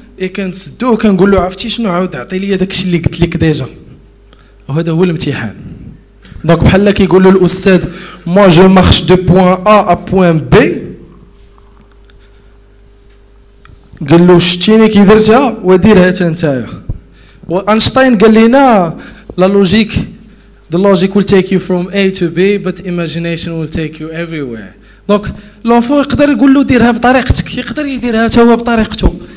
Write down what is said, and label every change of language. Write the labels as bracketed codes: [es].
[fr] Et quand c'est tout, quand on dit « Je vais te dire ce que je vais te dire déjà. » C'est ça, c'est l'émission. Donc, quand on dit à l'Oussad, « Moi, je marche de point A à point B. » Il dit « Je vais te dire ce que je vais te dire. » Einstein dit « La logique, [en] The logic will take you from A to B, but imagination will take you everywhere. [fr] Donc, l'enfant, [ar] يقدر يقول له ديرها بطريقتك. يقدر يديرها توا بطريقته.